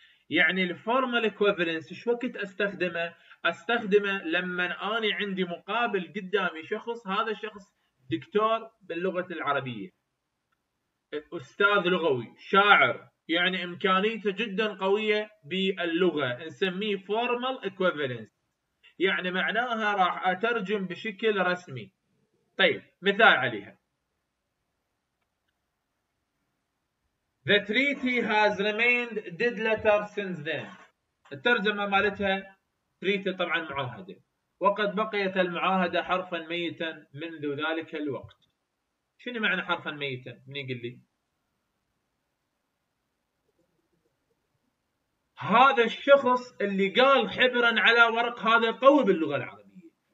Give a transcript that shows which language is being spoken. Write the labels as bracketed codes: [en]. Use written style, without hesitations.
[ar] يعني الفورمال إكويفالنس شو وقت أستخدمه؟ أستخدمه لما أنا عندي مقابل قدامي شخص، هذا الشخص دكتور باللغة العربية، أستاذ لغوي، شاعر، يعني إمكانيته جدا قوية باللغة. نسميه فورمال إكويفالنس، يعني معناها راح أترجم بشكل رسمي. طيب مثال عليها. [en] The treaty has remained dead letter since then. [ar] الترجمة مالتها treaty طبعا معاهدة، وقد بقيت المعاهدة حرفا ميتا منذ ذلك الوقت. شنو معنى حرفا ميتا؟ من يقول لي؟ هذا الشخص اللي قال حبرا على ورق، هذا قوي باللغة العربية.